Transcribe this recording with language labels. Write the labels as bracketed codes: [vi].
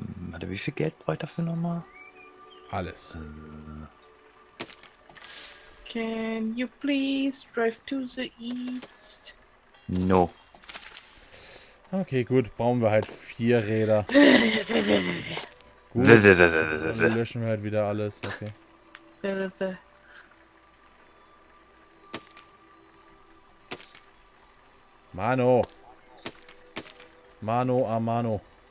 [de] Warte, wie viel Geld brauche ich dafür nochmal? Alles. [en] Can you please drive to the east? No. [de] Okay, gut, brauchen wir halt 4 Räder. Gut, dann löschen wir halt wieder alles, okay. [es] Mano! Mano a mano.